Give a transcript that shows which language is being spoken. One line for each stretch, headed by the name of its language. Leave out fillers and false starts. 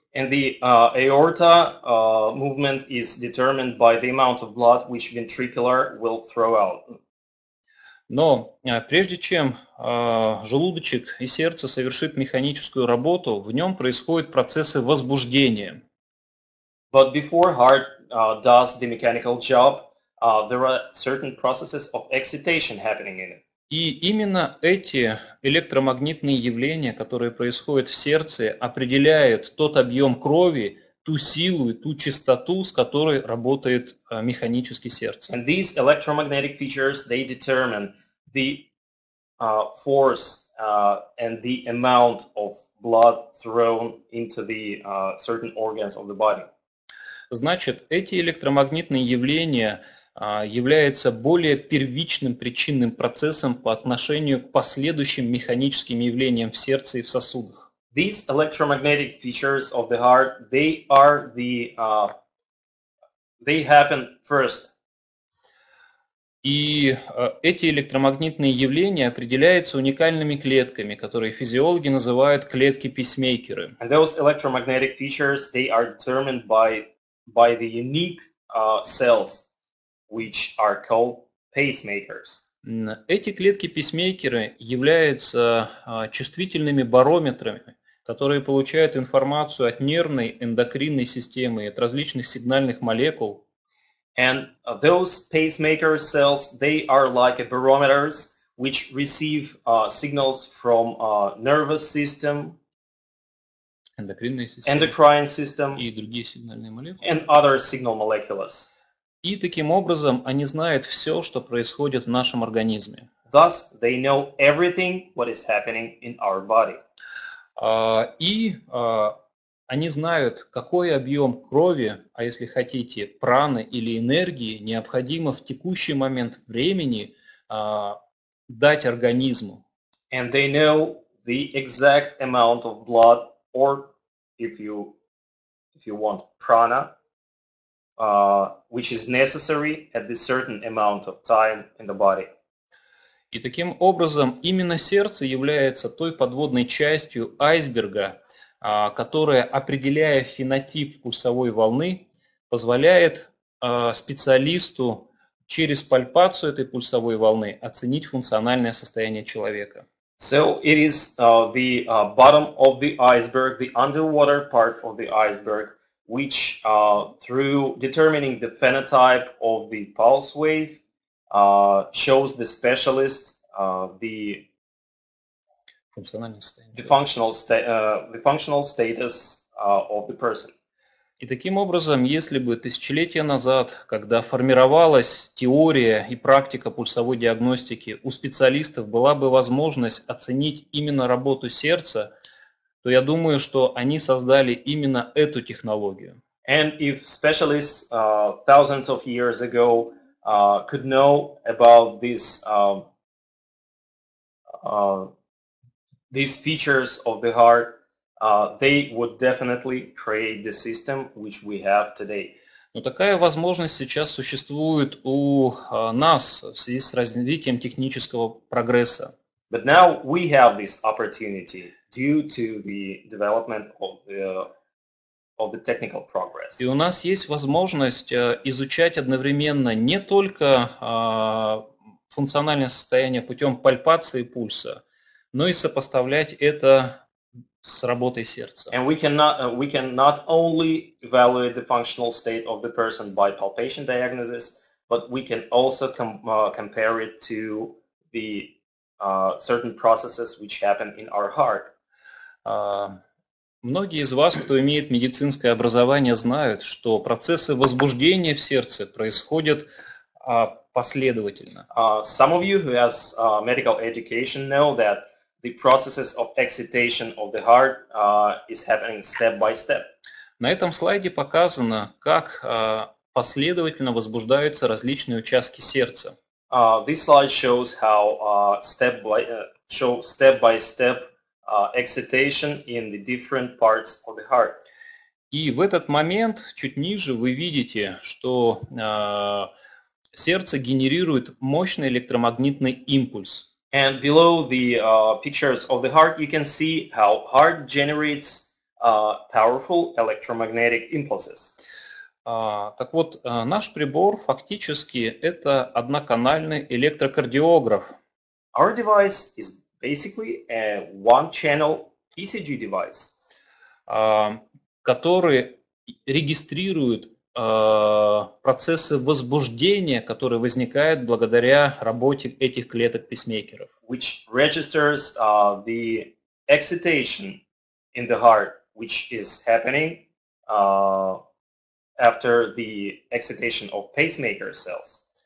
English: And the aorta movement is determined by the amount of blood which ventricular will throw out.
Russian: Но прежде чем желудочек и сердце совершит механическую работу, в нем происходят процессы возбуждения.
English: But before heart does the mechanical job, there are certain processes of excitation happening in it.
Russian: И именно эти электромагнитные явления, которые происходят в сердце, определяют тот объем крови, ту силу и ту частоту, с которой работает механически сердце.
English: And these electromagnetic features, they determine the force and the amount of blood thrown into the certain organs of the body.
Russian: Значит, эти электромагнитные явления является более первичным причинным процессом по отношению к последующим механическим явлениям в сердце и в сосудах.
English: These electromagnetic features of the heart, they are the, they happen first.
Russian: И эти электромагнитные явления определяются уникальными клетками, которые физиологи называют клетки-пейсмейкеры.
English: And those electromagnetic features, they are determined by the unique cells, which are called pacemakers.
Russian: Эти клетки-пейсмейкеры являются чувствительными барометрами, которые получают информацию от нервной, эндокринной системы, от различных сигнальных молекул.
English: And those pacemaker cells, they are like barometers, which receive signals from nervous system,
Russian: эндокринная система,
English: endocrine system,
Russian: и другие сигнальные молекулы,
English: and other signal molecules.
Russian: И таким образом они знают все, что происходит в нашем организме.
English: Thus, they know everything what is happening in our body.
Russian: Они знают, какой объем крови, а если хотите, праны или энергии, необходимо в текущий момент времени дать организму.
English: And they know the exact amount of blood, or if you want prana, which is necessary at this certain amount of time in the body.
Russian: И таким образом, именно сердце является той подводной частью айсберга, которая, определяя фенотип пульсовой волны, позволяет специалисту через пальпацию этой пульсовой волны оценить функциональное состояние человека.
English: So it is the bottom of the iceberg, the underwater part of the iceberg, which through determining the phenotype of the pulse wave shows the specialist the functional status of the person.
Russian: И таким образом, если бы тысячелетия назад, когда формировалась теория и практика пульсовой диагностики, у специалистов была бы возможность оценить именно работу сердца, то я думаю, что они создали именно эту технологию.
English: And if specialists thousands of years ago could know about this these features of the heart, they would definitely create the system which we have today.
Russian: Но такая возможность сейчас существует у нас в связи с развитием технического прогресса.
English: But now we have this opportunity due to the development of the technical progress.
Russian: И у нас есть возможность изучать одновременно не только функциональное состояние путем пальпации пульса, но и сопоставлять это с работой сердца.
English: And we can not only evaluate the functional state of the person by palpation diagnosis, but we can also compare it to the certain processes which happen in our heart.
Russian: Многие из вас, кто имеет медицинское образование, знают, что процессы возбуждения в сердце происходят последовательно.
English: Some of you who has medical education know that the processes of excitation of the heart is happening step by step.
Russian: На этом слайде показано, как последовательно возбуждаются различные участки сердца.
English: This slide shows how step by step excitation in the different parts of the heart.
Russian: И в этот момент чуть ниже вы видите, что сердце генерирует мощный электромагнитный импульс.
English: And below the pictures of the heart, you can see how heart generates powerful electromagnetic impulses.
Russian: Так вот, наш прибор фактически это одноканальный электрокардиограф.
English: Our device is basically a one-channel ECG device,
Russian: который регистрирует процессы возбуждения, которые возникают благодаря работе этих клеток пейсмейкеров.
English: Which registers the excitation in the heart, which is happening after the excitation of pacemaker cells.